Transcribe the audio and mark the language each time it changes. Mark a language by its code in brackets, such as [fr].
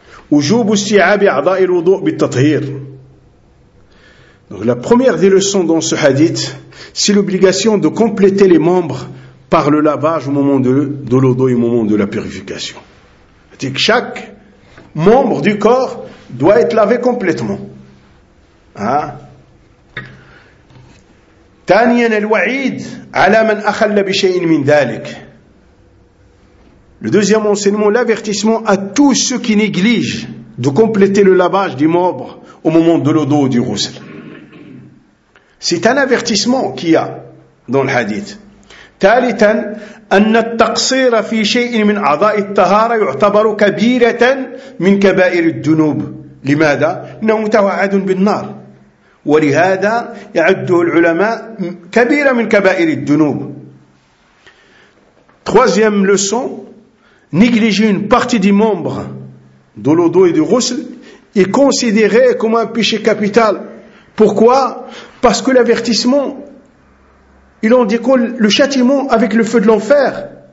[ar] Wujubu sti'abi a'dha'i al-wudu' bit-tathhir. [fr] Donc la première des leçons dans ce hadith, c'est l'obligation de compléter les membres par le lavage au moment de l'wudu' et au moment de la purification. C'est-à-dire que chaque membre du corps doit être lavé complètement. Hein? [ar] ثانيا الوعيد على من أخل بشيء من ذلك. [fr] Le deuxième enseignement, l'avertissement à tous ceux qui négligent de compléter le lavage des membres au moment de l'eau d'eau du ghusl. C'est un avertissement qu'il y a dans le hadith. [ar] ثالثا أن التقصير في شيء من أعضاء الطهارة يعتبر كبيرة من كبائر الذنوب. لماذا؟ إنه متوعد بالنار. ولهذا يعده العلماء كبيرة من كبائر الذنوب. [fr] Troisième leçon, négliger une partie des membres de l'eau et du ghusl est considéré comme un péché capital. Pourquoi? Parce que l'avertissement, il en découle le châtiment avec le feu de l'enfer.